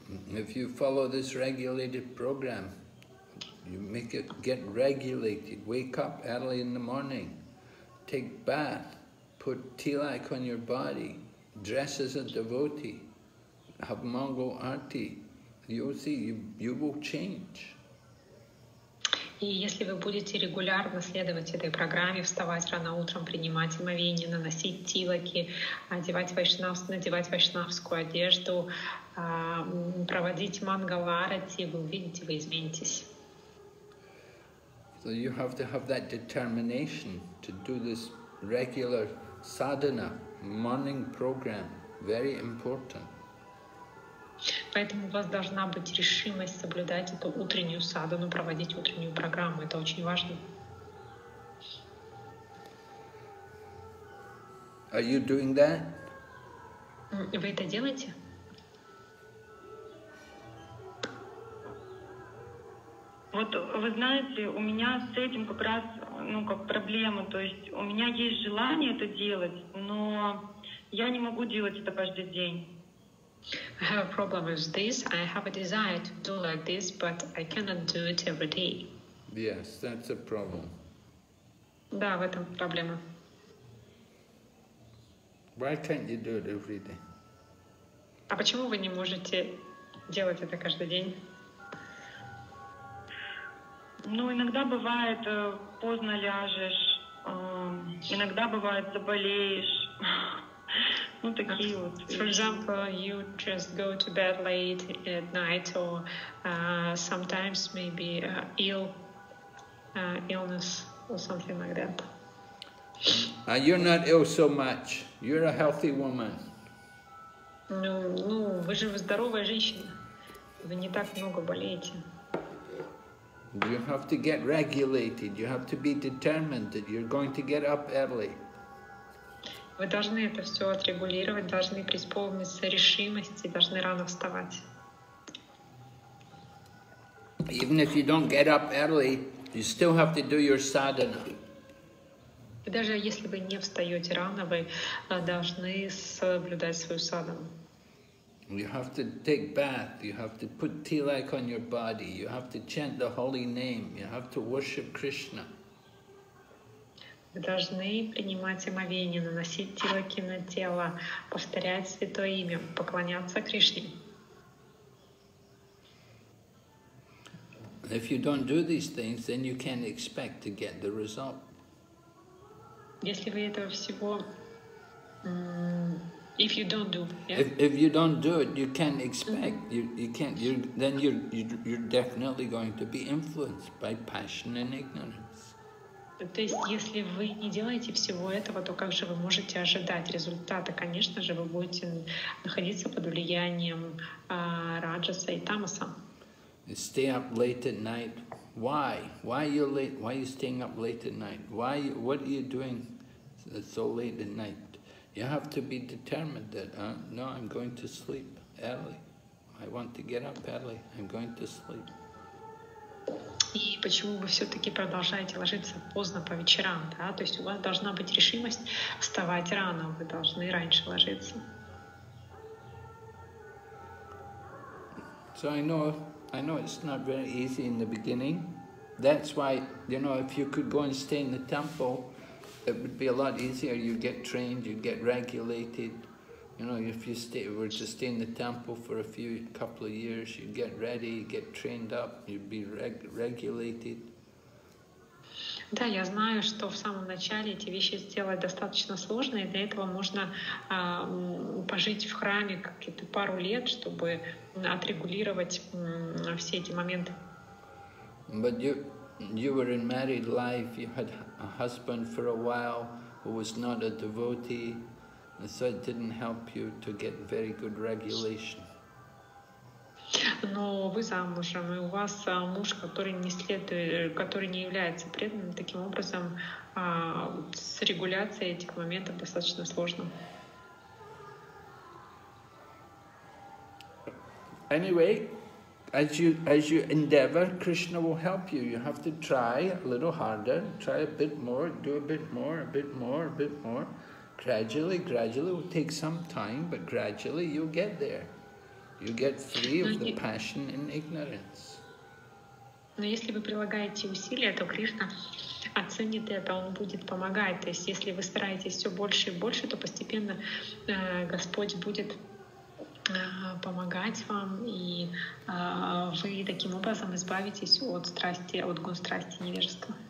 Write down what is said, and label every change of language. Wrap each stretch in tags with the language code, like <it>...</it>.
<en>If you follow this regulated program, you make it get regulated. Wake up early in the morning, take bath, put tilak on your body, dress as a devotee, have mangal arti. You'll see, you will change.</en> <ru>И если вы будете регулярно следовать этой программе, вставать рано утром, принимать омовение, наносить тилаки, надевать вайшнавскую одежду, проводить мангаларати, вы увидите, вы изменитесь.</ru> <en>So you have to have that determination to do this regular sadhana, morning program, very important.</en> <ru>Поэтому у вас должна быть решимость соблюдать эту утреннюю садхану, проводить утреннюю программу. Это очень важно.</ru> <en>Are you doing that?</en> <ru>Вы это делаете? Вот вы знаете, у меня с этим как раз, ну, как проблема. То есть у меня есть желание это делать, но я не могу делать это каждый день.</ru> <en>I have a problem with this. I have a desire to do like this, but I cannot do it every day. Yes, that's a problem.</en> <ru>Да, в этом проблема.</ru> <en>Why can't you do it every day?</en> <ru>А почему вы не можете делать это каждый день? Ну, иногда бывает, поздно ляжешь, иногда бывает, заболеешь.</ru> <en>For example, you just go to bed late at night, or sometimes maybe illness or something like that. And you're not ill so much. You're a healthy woman.</en> <ru>Ну, вы же здоровая женщина. Вы не так много болеете.</ru> <en>You have to get regulated. You have to be determined that you're going to get up early.</en> <ru>Вы должны это все отрегулировать, должны преисполниться решимости, должны рано вставать.</ru> <en>Even if you don't get up early, you still have to do your sadhana.</en> <ru>И даже если вы не встаете рано, вы должны соблюдать свою садхану.</ru> <en>You have to take bath, you have to put tilak on your body, you have to chant the holy name, you have to worship Krishna.</en> <ru>Вы должны принимать омовение, наносить тилаки на тело, повторять святое имя, поклоняться Кришне.</ru> <en>If you don't do these things, then you can't expect to get the result.</en> <ru>Если вы этого всего,</ru> <en>if you don't do, yeah? If you don't do it, you can't expect. Mm-hmm. You can't. You're definitely going to be influenced by passion and ignorance.</en> <ru>То есть, если вы не делаете всего этого, то как же вы можете ожидать результата? Конечно же, вы будете находиться под влиянием раджаса и тамаса.</ru> <en>Stay up late at night. Why? Why are you late? Why are you staying up late at night? Why? What are you doing so late at night? You have to be determined that, no, I'm going to sleep early. I want to get up early. I'm going to sleep.</en> <ru>И почему вы все-таки продолжаете ложиться поздно по вечерам, да? То есть у вас должна быть решимость вставать рано, вы должны раньше ложиться.</ru> <en>So I know it's not very easy in the beginning. That's why, you know, if you could go and stay in the temple, it would be a lot easier. You get trained, you get regulated. You know, if you were to stay in the temple for a couple of years, you'd get ready, get trained up, you'd be regulated.</en> <ru>Да, я знаю, что в самом начале эти вещи сделать достаточно сложно, и для этого можно пожить в храме какие-то пару лет, чтобы отрегулировать все эти моменты.</ru> <en>But you were in married life, you had a husband for a while who was not a devotee, and so it didn't help you to get very good regulation.</en> <ru>Но вы замужем, и у вас муж, который не следует, который не является преданным, таким образом с регуляцией этих моментов достаточно сложно.</ru> <en>Anyway, as you endeavor, Krishna will help you. You have to try a little harder, try a bit more, do a bit more, a bit more, a bit more. Gradually, it will take some time, but gradually you'll get there. You get free of the passion and ignorance.</en> <ru>Но если вы прилагаете усилия, то Кришна оценит это, Он будет помогать. То есть если вы стараетесь все больше и больше, то постепенно Господь будет помогать вам, и вы таким образом избавитесь от страсти, от гун страсти невежества.</ru>